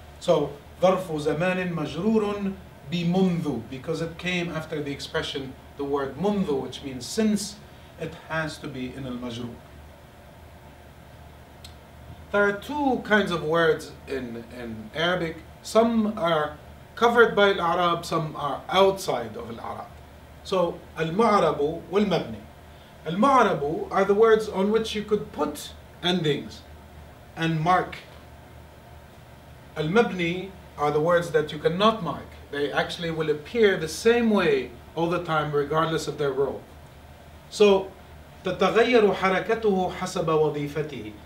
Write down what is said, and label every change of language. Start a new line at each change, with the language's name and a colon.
English: So,
Arabic: ظرف زمان مجرور بمنذ,
English: because it came after the expression, the word منذ, which means since, it has to be in المجرور. There are two kinds of words in Arabic. Some are covered by العرب, some are outside of العرب.
Arabic: So, المعرب والمبني.
English: المعرب are the words on which you could put endings and mark. المبني are the words that you cannot mark. They actually will appear the same way all the time, regardless of their role.
Arabic: So, تتغير حركته حسب وظيفته.